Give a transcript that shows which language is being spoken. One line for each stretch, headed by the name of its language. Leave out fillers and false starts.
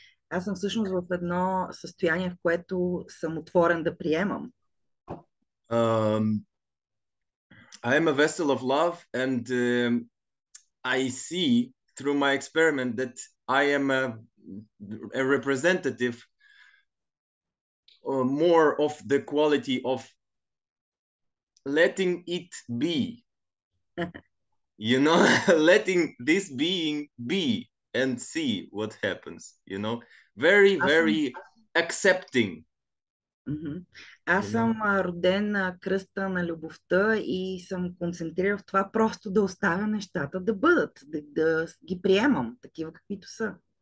Bulgarian: Аз съм всъщност в едно състояние, в което съм отворен да приемам.
English: I am a vessel of love, and I see through my experiment that I am a representative more of the quality of letting it be. You know, letting this being be and see what happens, you know, very, very accepting.
Bulgarian: Аз съм роден на кръста на любовта и съм концентриран в това просто да оставя нещата да бъдат, да ги приемам такива каквито са.